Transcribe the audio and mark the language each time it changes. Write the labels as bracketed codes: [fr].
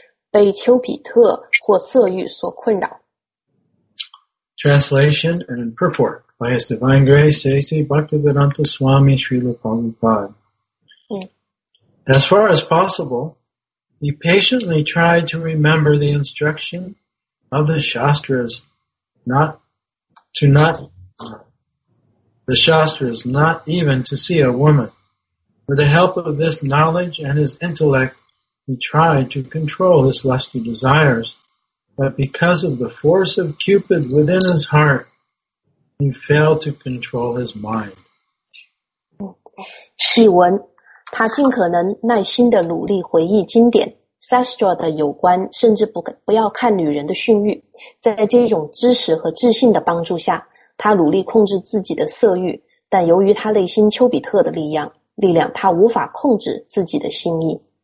[zh] 被丘比特或色欲所困扰。 [en] Translation and purport by His Divine Grace, A.C. Bhaktivedanta Swami Srila Prabhupada. As far as possible, he patiently tried to remember the instruction of the Shastras not even to see a woman. With the help of this knowledge and his intellect, he tried to control his lusty desires, but because of the force of Cupid within his heart, he failed to control his mind. [zh] 细文，他尽可能耐心地努力回忆经典 Sastra 的有关，甚至不要看女人的训谕。在这种知识和智性的帮助下，他努力控制自己的色欲，但由于他内心丘比特的力量他无法控制自己的心意。